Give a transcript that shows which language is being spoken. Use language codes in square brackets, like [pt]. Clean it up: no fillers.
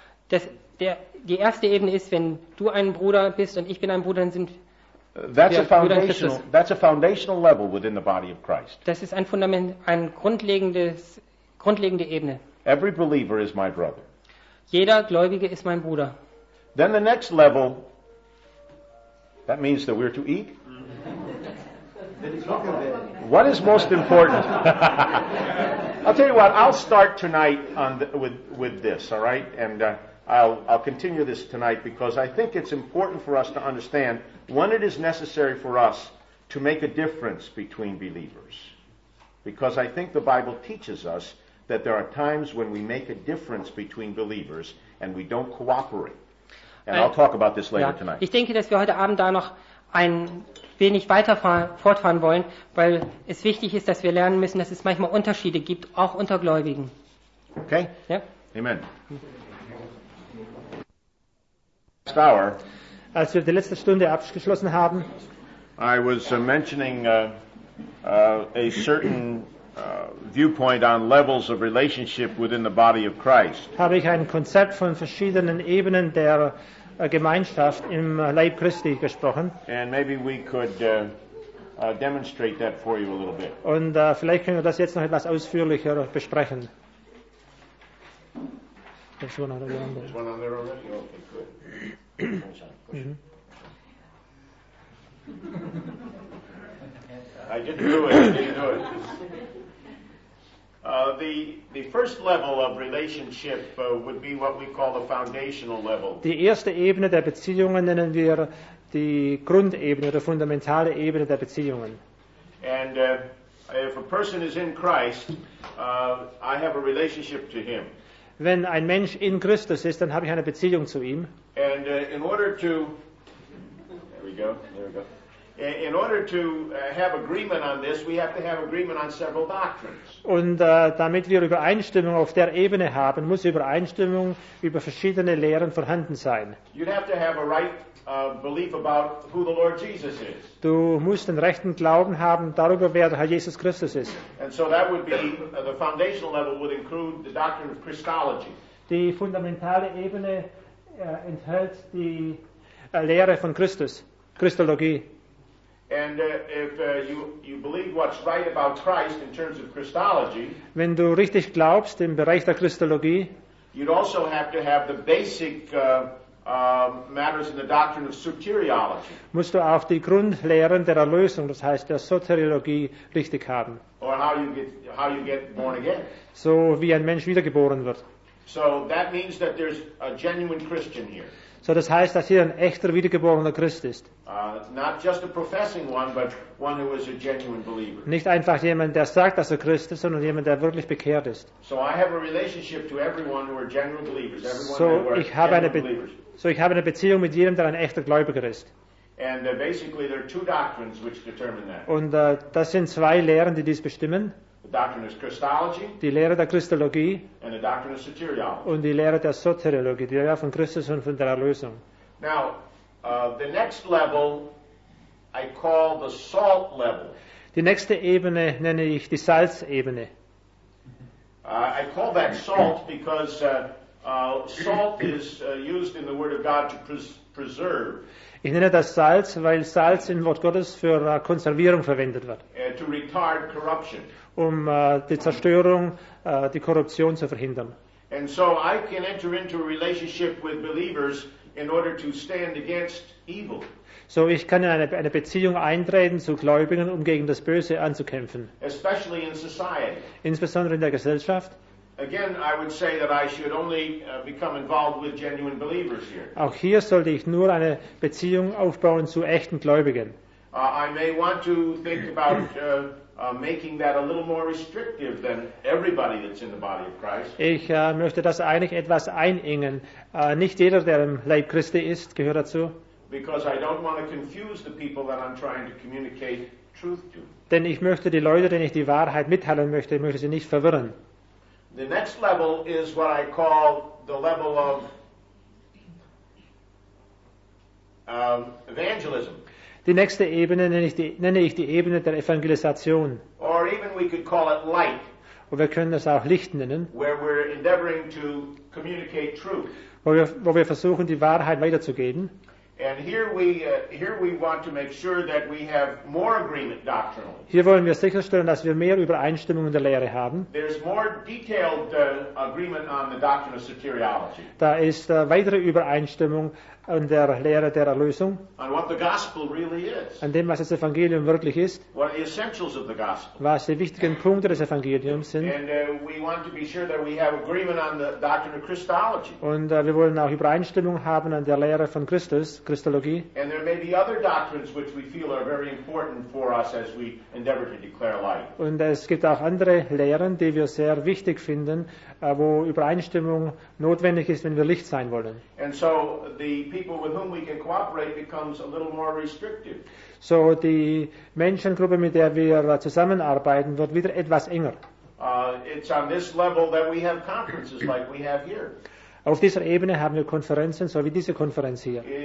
[de] Die erste Ebene ist, wenn du ein Bruder bist und ich bin ein Bruder, dann sind [en] That's a foundational level within the body of Christ. [de] Das ist ein Fundament, ein grundlegende Ebene. [en] Every believer is my brother. [de] Jeder Gläubige ist mein Bruder. [en] Then the next level, that means that we're to eat. What is most important? I'll tell you what, I'll start tonight with this, all right? And I'll continue this tonight because I think it's important for us to understand when it is necessary for us to make a difference between believers. Because I think the Bible teaches us that there are times when we make a difference between believers and we don't cooperate. And I'll talk about this later tonight. [de] Ich denke, dass wir heute Abend da noch ein wenig weiter fortfahren wollen, weil es wichtig ist, dass wir lernen müssen, dass es manchmal Unterschiede gibt, auch unter Gläubigen. Okay? Ja. Amen. Als wir die letzte Stunde abgeschlossen haben, [en] I was mentioning a certain viewpoint on levels of relationship within the body of Christ. [de] Habe ich ein Konzept von verschiedenen Ebenen der Gemeinschaft im Leib Christi gesprochen. [en] And maybe we could demonstrate that for you a little bit. [de] Und vielleicht können wir das jetzt noch etwas ausführlicher besprechen. [en] There's one on there already. Okay, good. I didn't do it. The first level of relationship would be what we call the foundational level. [de] Die erste Ebene der Beziehungen nennen wir die Grundebene oder fundamentale Ebene der Beziehungen. [en] And if a person is in Christ, I have a relationship to him. [de] Wenn ein Mensch in Christus ist, dann habe ich eine Beziehung zu ihm. [en] And in order to, there we go. In order to have agreement on this, we have to have agreement on several doctrines. [de] Und damit wir Übereinstimmung auf der Ebene haben, muss Übereinstimmung über verschiedene Lehren vorhanden sein. [en] You have to have a right belief about who the Lord Jesus is. [de] Du musst den rechten Glauben haben darüber, wer der Herr Jesus Christus ist. [en] And so that would be the foundational level would include the doctrine of Christology. [de] Die fundamentale Ebene enthält die Lehre von Christus, Christologie. [en] And if you believe what's right about Christ in terms of Christology, [de] wenn du richtig glaubst im Bereich der Christologie, [en] you'd also have to have the basic matters in the doctrine of soteriology. [de] Musst du auch die Grundlehren der Erlösung, das heißt der Soteriologie, richtig haben. [en] Or how you get born again. [de] So wie ein Mensch wiedergeboren wird. [en] So that means that there's a genuine Christian here. [de] So das heißt, dass hier ein echter wiedergeborener Christ ist. [en] Not just a professing one, but one who is a genuine believer. [de] Nicht einfach jemand, der sagt, dass er Christ ist, sondern jemand, der wirklich bekehrt ist. [en] So I have a relationship to everyone who are genuine believers. [de] So ich habe eine Beziehung mit jedem, der ein echter Gläubiger ist. [en] And basically there are two doctrines which determine that. [de] Und das sind zwei Lehren, die dies bestimmen. [en] The doctrine of Christology, [de] die Lehre der Christologie, [en] and the doctrine of soteriology, [de] und die Lehre der Soteriologie, die Lehre von Christus und von der Erlösung. [en] Now, the next level I call the salt level. [de] Die nächste Ebene nenne ich die Salzebene. [en] I call that salt because salt is used in the Word of God to preserve. [de] Ich nenne das Salz, weil Salz im Wort Gottes für Konservierung verwendet wird. [en] To retard corruption. [de] Um die Zerstörung, die Korruption zu verhindern. [en] And so I can enter into a relationship with believers in order to stand against evil. [de] So ich kann in eine Beziehung eintreten zu Gläubigen, um gegen das Böse anzukämpfen. [en] Especially in society. [de] Insbesondere in der Gesellschaft. [en] Again, I would say that I should only become involved with genuine believers here. [de] Auch hier sollte ich nur eine Beziehung aufbauen zu echten Gläubigen. [en] I may want to think about making that a little more restrictive than everybody that's in the body of Christ. [de] Ich möchte das eigentlich etwas einengen. Nicht jeder, der im Leib Christi ist, gehört dazu. [en] Because I don't want to confuse the people that I'm trying to communicate truth to. [de] Denn ich möchte die Leute, denen ich die Wahrheit mitteilen möchte, ich möchte sie nicht verwirren. [en] The next level is what I call the level of evangelism. [de] Die nächste Ebene nenne ich die Ebene der Evangelisation. [en] Or even we could call it light. [de] Und wir können das auch Licht nennen. [en] Where we're endeavoring to communicate truth. [de] Wo wir versuchen, die Wahrheit weiterzugeben. [en] And here we want to make sure that we have more agreement doctrinally. [de] Hier wollen wir sicherstellen, dass wir mehr Übereinstimmung in der Lehre haben. [en] There's more detailed agreement on the doctrine of soteriology. [de] Da ist weitere Übereinstimmung an der Lehre der Erlösung. [en] On what the gospel really is. [de] An dem, was das Evangelium wirklich ist. [en] What are the essentials of the gospel? [de] Was die wichtigen Punkte des Evangeliums sind. [en] And we want to be sure that we have agreement on the doctrine of Christology. [de] Und wir wollen auch Übereinstimmung haben an der Lehre von Christus, Christologie. [en] And there may be other doctrines which we feel are very important for us as we endeavor to declare light. [de] Und es gibt auch andere Lehren, die wir sehr wichtig finden, wo Übereinstimmung notwendig ist, wenn wir Licht sein wollen. [en] And so the people with whom we can cooperate becomes a little more restrictive. [de] So die Menschengruppe, mit der wir zusammenarbeiten, wird wieder etwas enger. [en] It's on this level that we have conferences like we have here. [de] Auf dieser Ebene haben wir Konferenzen, so wie diese Konferenz hier.